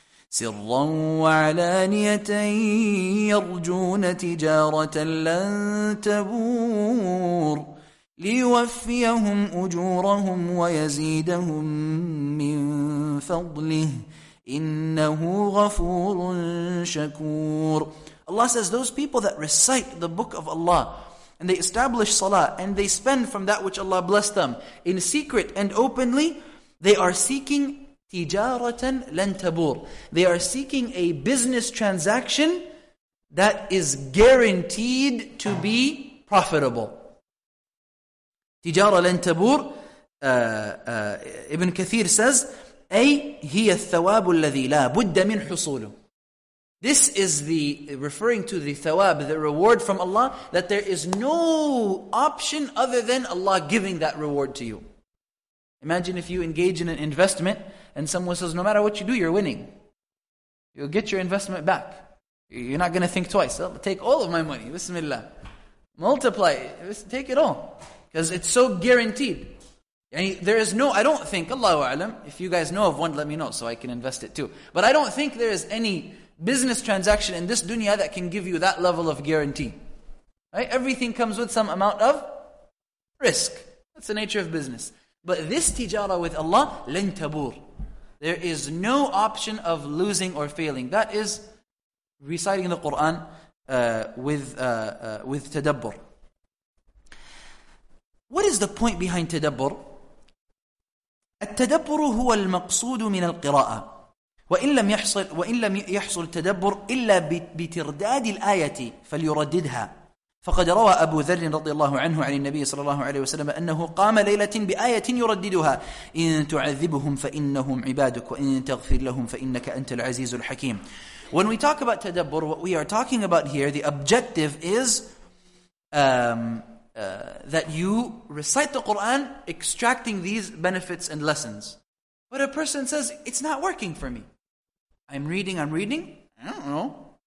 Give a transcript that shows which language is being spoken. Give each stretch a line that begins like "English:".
Arabic: سِرًّا وَعَلَانِيَةً يَرْجُونَ تِجَارَةً لَن تَبُورَ لِيُوَفِّيَهُمْ أُجُورَهُمْ وَيَزِيدَهُمْ مِنْ فَضْلِهِ إِنَّهُ غَفُورٌ شَكُورٌ.
English: Allah says, those people that recite the book of Allah, and they establish salah, and they spend from that which Allah blessed them, in secret and openly, they are seeking
Arabic: تِجَارَةً لَن تَبُورٌ.
English: They are seeking a business transaction that is guaranteed to be profitable.
Arabic: تجارة لن تبور.
English: Ibn Kathir says,
Arabic: أي هي الثواب الذي لا بد من حصوله.
English: This is the referring to the thawab, the reward from Allah, that there is no option other than Allah giving that reward to you. Imagine if you engage in an investment and someone says, no matter what you do, you're winning. You'll get your investment back. You're not going to think twice. I'll take all of my money, bismillah. Multiply it, take it all. Because it's so guaranteed. There is no, I don't think, Allahu A'lam, if you guys know of one, let me know so I can invest it too. But I don't think there is any business transaction in this dunya that can give you that level of guarantee. Right? Everything comes with some amount of risk. That's the nature of business. But this tijara with Allah,
Arabic: لن تبور.
English: There is no option of losing or failing. That is reciting the Qur'an with tadabbur. What is the point behind tadabbur?
Arabic: التدبر هو المقصود من القراءة وإن لم يحصل التدبر إلا بترداد الآية فليرددها. فقد روى أبو ذر رضي الله عنه عن النبي صلى الله عليه وسلم أنه قام ليلة بآية يرددها: إن تعذبهم فإنهم عبادك وإن تغفر لهم فإنك أنت العزيز الحكيم.
English: When we talk about tadabbur, what we are talking about here, the objective is that you recite the Qur'an, extracting these benefits and lessons. But a person says, it's not working for me. I'm reading, I don't know.